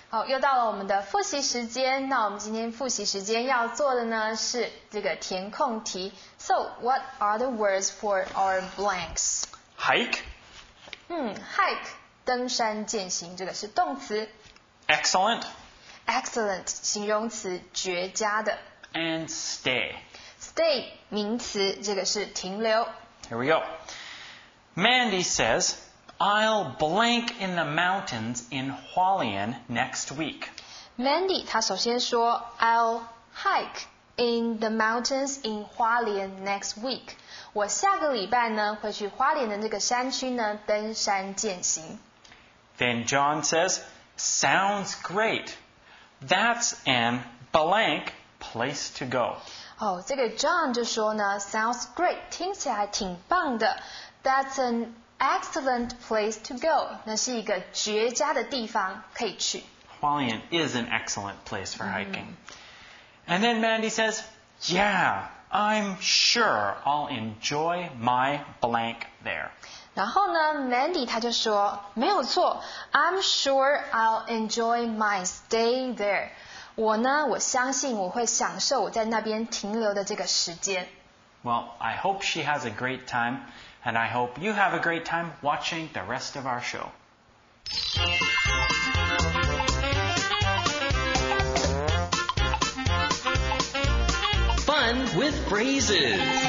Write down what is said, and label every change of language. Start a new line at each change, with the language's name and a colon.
Chinese: 好，又到了我们的复习时间。那我们今天复习时间要做的呢是这个填空题。
English: So, what are the words for our blanks? Hike. Hike.
Chinese: 登山健行，这个是动词。
English: Excellent. Excellent.
Chinese: 形容词，绝佳的。
English: And stay. Stay.
Chinese: 名词，这个是停留。
English: Here we go. Mandy says,I'll blank in the mountains in Hualien next week. Mandy,
Chinese: 她首先说
English: I'll hike in the mountains in Hualien next week.
Chinese: 我下个礼拜呢会去花莲的那个山区呢登山健行。
English: Then John says, sounds great. That's an blank place to go.
Chinese: 哦，这个 John 就说呢
English: sounds great,
Chinese: 听起来挺棒的。
English: That's anExcellent place to go.
Chinese: 那是一个绝佳的地方可以去。
English: Hualien is an excellent place for hiking. And then Mandy says, Yeah, I'm sure I'll enjoy my blank there.
Chinese: 然后呢
English: ,Mandy
Chinese: 她就说没有错
English: ,I'm sure I'll enjoy my stay there.
Chinese: 我呢我相信我会享受我在那边停留的这个时间。
English: Well, I hope she has a great time. And I hope you have a great time watching the rest of our show. Fun with phrases.